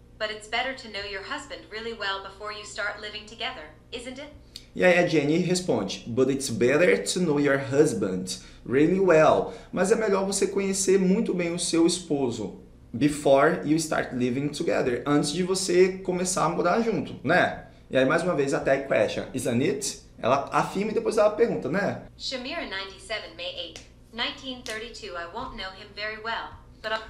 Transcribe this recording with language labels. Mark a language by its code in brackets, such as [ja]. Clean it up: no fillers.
[en] But it's better to know your husband really well before you start living together, isn't it? [pt] E aí a Jenny responde, [en] but it's better to know your husband really well. [pt] Mas é melhor você conhecer muito bem o seu esposo. [en] Before you start living together, [pt] antes de você começar a morar junto, né? E aí, mais uma vez, a tag question, [en] isn't it? [pt] Ela afirma e depois ela pergunta, né? [en] Shamira 97, May 8th, 1932, I won't know him very well, but